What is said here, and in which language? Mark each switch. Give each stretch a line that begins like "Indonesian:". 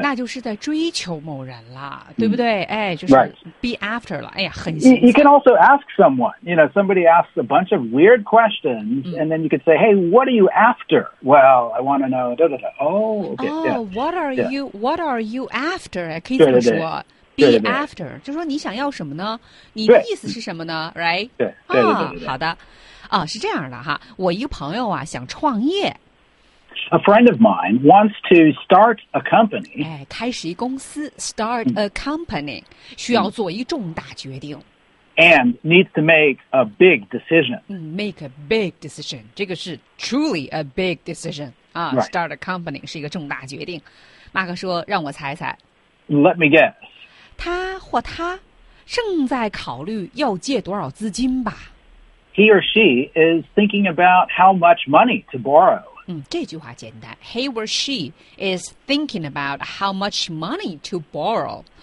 Chinese: 那就是在追求某人了，对不对？哎，就是 be after 了。哎呀，很。
English: You can also ask someone. You know, somebody asks a bunch of weird questions,、and then you could say, "Hey, what are you after?" Well, I want to know. Da, da, da. Oh, okay, oh, yeah, what are、 yeah. you? What are you after?
Chinese: 可以这么说。
English: Be after,
Chinese: 就说你想要什么呢？你的意思是什么呢 ？Right? 对对对对。好的，啊，是这样的哈。我一个朋友啊，想创业。
English: A friend of mine wants to start a company.
Chinese: 哎，开始一公司 ，
English: start a company，
Chinese: 需要做一重大决定。
English: And needs to make a big decision. Make a big decision.
Chinese: 这个是
English: truly a big decision. 啊、 right. ， start a company
Chinese: 是一个重大决定。马克说：“让我猜猜。
English: ”Let me guess.
Chinese: 他或他正在考虑要借多少资金吧。
English: He or she is thinking about how much money to borrow.
Chinese: 这句话简单。
English: He or she is thinking about how much money to borrow.